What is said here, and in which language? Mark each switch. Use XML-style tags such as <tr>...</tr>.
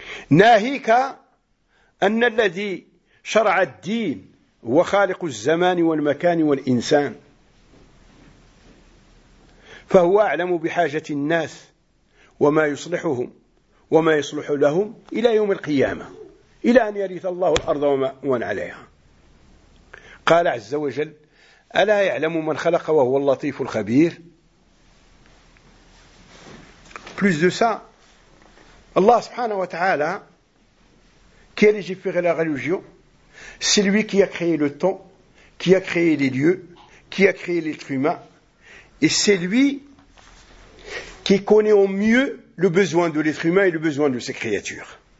<ar>Nahika anna alladhi shara'a ad-din wa khaliqu az-zaman wal makan wal insan fa huwa a'lamu bi hajati an-nas وما يصلحهم وما يصلح لهم إلى يوم القيامة إلى أن يرث الله الأرض ومن عليها. قال عز وجل ألا يعلم من خلق وهو اللطيف الخبير.</ar> <fr>plus de ça, Allah subhanahu wa ta'ala qui a légiféré la religion, c'est lui qui a créé le temps, qui a créé les lieux, qui a créé l'être humain, et c'est lui qui connaît au mieux le besoin de l'être humain et le besoin de ses créatures.</fr>